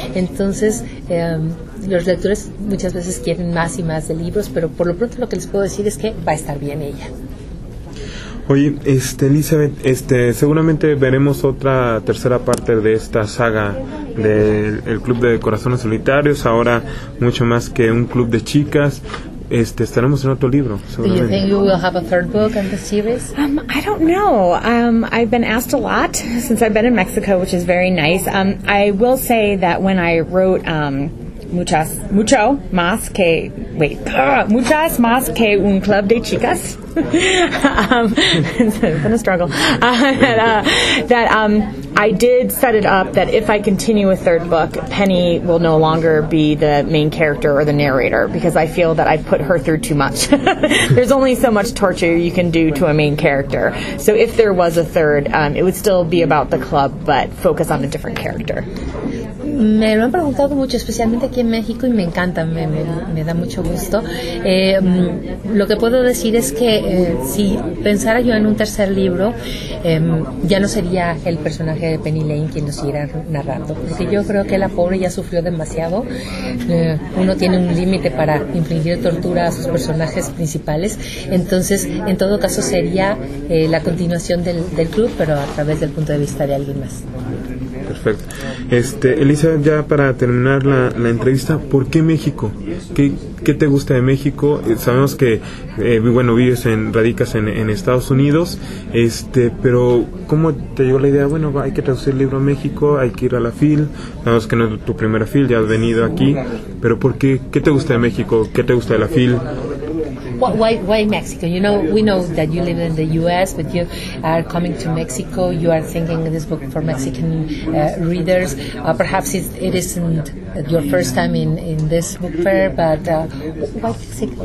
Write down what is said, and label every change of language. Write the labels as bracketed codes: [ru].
[es] Entonces, los lectores muchas veces quieren más y más de libros, pero por lo pronto lo que les puedo decir es que va a estar bien ella. Oye, Elizabeth, seguramente veremos otra tercera parte de esta saga del Club de Corazones Solitarios, ahora mucho más que un club de chicas. Estaremos en otro libro, seguramente. [en] Do you think you will have a third book in the series? I don't know. I've been asked a lot since I've been in Mexico, which is very nice. I will say that when I wrote Muchas más que un club de chicas. it's been a struggle. I did set it up that if I continue a third book, Penny will no longer be the main character or the narrator, because I feel that I've put her through too much. There's only so much torture you can do to a main character. So if there was a third, it would still be about the club, but focus on a different character. [es] Me lo han preguntado mucho, especialmente aquí en México, y me encanta, me da mucho gusto. Lo que puedo decir es que si pensara yo en un tercer libro, ya no sería el personaje de Penny Lane quien lo siguiera narrando, porque yo creo que la pobre ya sufrió demasiado. Uno tiene un límite para infligir tortura a sus personajes principales, entonces en todo caso sería la continuación del club, pero a través del punto de vista de alguien más. Perfecto. Elizabeth, ya para terminar la entrevista, ¿por qué México? ¿Qué te gusta de México? Sabemos que, bueno, radicas en Estados Unidos, pero ¿cómo te llegó la idea? Bueno, hay que traducir el libro a México, hay que ir a la FIL. Sabemos que no es tu primera FIL, ya has venido aquí. Pero ¿por qué? ¿Qué te gusta de México? ¿Qué te gusta de la FIL? [en] Why Mexico? You know, we know that you live in the U.S., but you are coming to Mexico. You are thinking this book for Mexican readers. Perhaps it isn't your first time in this book fair, but why Mexico?